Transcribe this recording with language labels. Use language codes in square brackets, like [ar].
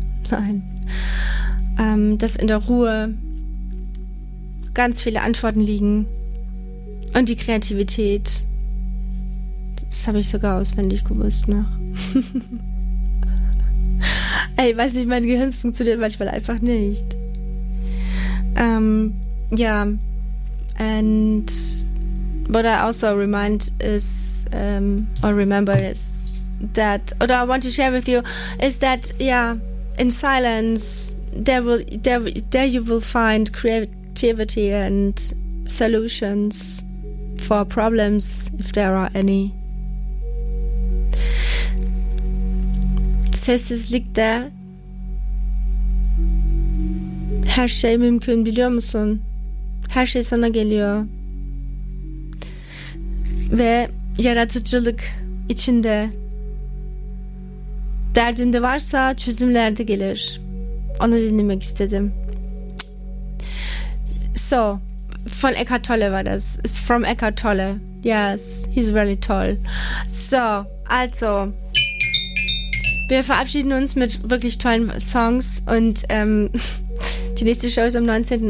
[de] Nein. Dass in der Ruhe ganz viele Antworten liegen und die Kreativität. Das habe ich sogar auswendig gewusst noch. Ey, weiß nicht, mein Gehirn funktioniert manchmal einfach nicht. Ja. [en] And what I also remind is, or remember is that, or I want to share with you, is that, yeah, in silence, there you will find creativity and solutions for problems, if there are any. [de] Das heißt, es liegt da. [tr] Her şey mümkün, biliyor musun? Her şey sana geliyor. Ve yaratıcılık içinde. Derdinde varsa çözümler de gelir. Onu dinlemek istedim. [de] So, von Eckhart Tolle war das. [en] It's from Eckhart Tolle. Yes, he's really tall. So, also. [de] Wir verabschieden uns mit wirklich tollen Songs und die nächste Show ist am 19.